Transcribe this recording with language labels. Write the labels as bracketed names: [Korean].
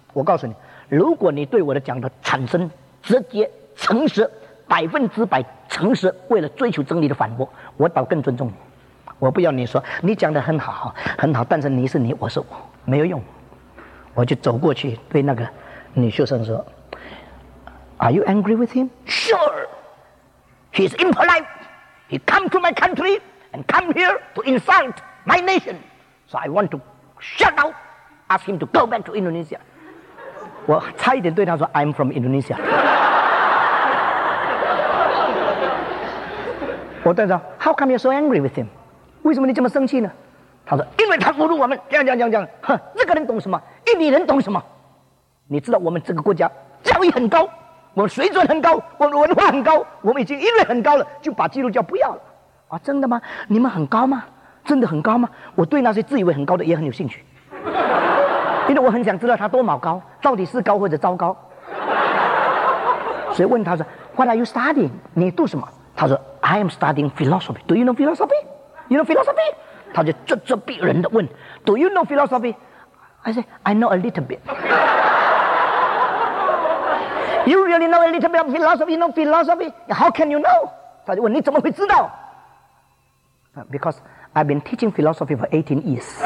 [Chinese] 我告诉你，如果你对我的讲的产生直接诚实，百分之百诚实，为了追求真理的反驳，我倒更尊重你。我不要你说你讲的很好很好，但是你是你，我是我，没有用。我就走过去对那个女学生说， [English] Are you angry with him? Sure. He's impolite. He come to my country and come here to insult my nation. So I want to shout out, ask him to go back to Indonesia. [Chinese] 我差一点对他说 [English] I'm from Indonesia. [Chinese] 我对他说 [English] How come you're so angry with him? [Chinese] 为什么你这么生气呢？他说因为他侮辱我们，这样，哼，这个人懂什么？印尼人懂什么？你知道我们这个国家教育很高，我们水准很高，我们文化很高，我们已经音乐很高了，就把基督教不要了。啊，真的吗？你们很高吗？真的很高吗？我对那些自以为很高的也很有兴趣，因为我很想知道他多么高，到底是高或者糟糕。所以问他说 [English] What are you studying? [Chinese] 你读什么？他说 [English] I am studying philosophy. Do you know philosophy? You know philosophy? [Chinese] 他就咄咄逼人地问 [English] Do you know philosophy? I say I know a little bit. You really know a little bit of philosophy? You know philosophy? How can you know? [Chinese] 他就问你怎么会知道？ [English] Because I've been teaching philosophy for 18 years.